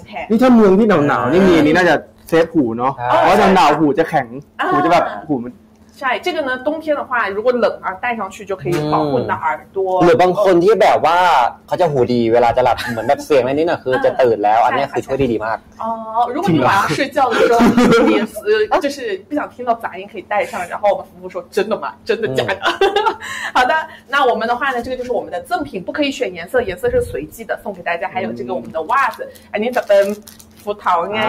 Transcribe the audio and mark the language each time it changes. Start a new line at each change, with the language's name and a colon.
Thai: นี่ถ้าเมืองที่หนาวๆนี่มีนี่น่าจะเซฟหูเนาะเพราะหนาวหูจะแข็งหูจะแบบหูมัน
Chinese: ใช่这个呢冬天的话如果冷啊戴上去就可以保护你的耳朵
Thai: หรือบางคนที่แบบว่าเขาจะหูดีเวลาจะหลับเหมือนแบบเสียงอันนี้น่ะคือจะตื่นแล้วอันนี้คือช่วยดีมาก
Chinese: อ๋อ如果你晚上睡觉的时候你就是不想听到杂音可以戴上然后我们服务说真的吗真的假的好的那我们的话呢这个就是我们的赠品不可以选颜色颜色是随机的送给大家还有这个我们的袜子哎你怎么葡萄呢